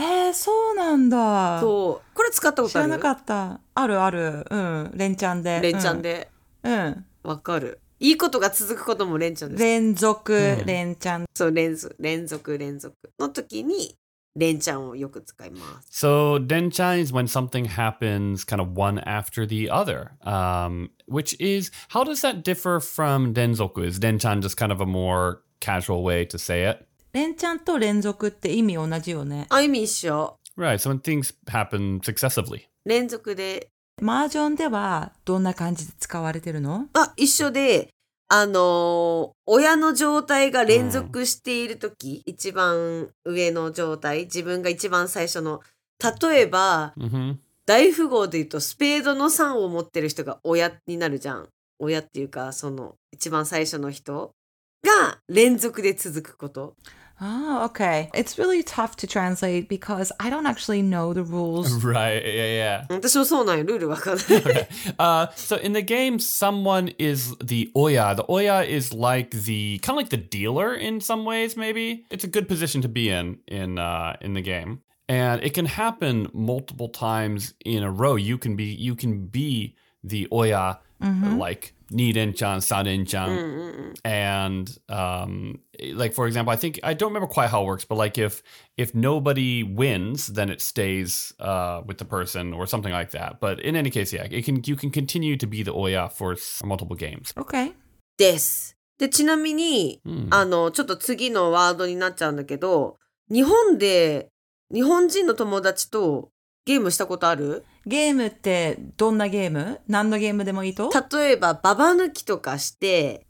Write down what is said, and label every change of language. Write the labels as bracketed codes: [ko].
[ja] へえ、そうなんだ。そう、これ使ったことある？知らなかった。あるある。うん、連チャンで連チャンで、うん、わかる。いいことが続くことも連チャンです。連続連チャン。そう、連続連続連続の時に連チャンをよく使います。 [en] So, 連チャン is when something happens kind of one after the other. Which is, how does that differ from 連続? Is 連チャン just kind of a more casual way to say it? [ja] 連チャンと連続って意味同じよね。あ、意味一緒。 [en] Right, so when things happen successively. [ja] 連続で。マージョンではどんな感じで使われてるの？あ、一緒で、親の状態が連続しているとき、一番上の状態、自分が一番最初の、例えば、大富豪で言うとスペードの3を持ってる人が親になるじゃん。親っていうか、その一番最初の人が連続で続くこと。 [en] Oh, okay. It's really tough to translate because I don't actually know the rules. Right, yeah, yeah. [ja] 私もそうなんよ。ルールわかんない。 [en] So in the game, someone is the Oya. The Oya is like the, kind of like the dealer in some ways, maybe. It's a good position to be in the game. And it can happen multiple times in a row. You can be the Oya, like... Ni-ren-chan, san-ren-chan, and like, for example, I don't remember quite how it works, but like if nobody wins, then it stays with the person or something like that. But in any case, yeah, you can continue to be the Oya for multiple games. Okay. [ja] です。で、ちなみに、ちょっと次のワードになっちゃうんだけど、日本で日本人の友達とゲームしたことある? ゲームってどんなゲーム?何のゲームでもいいと? 例えば、ババ抜きとかして。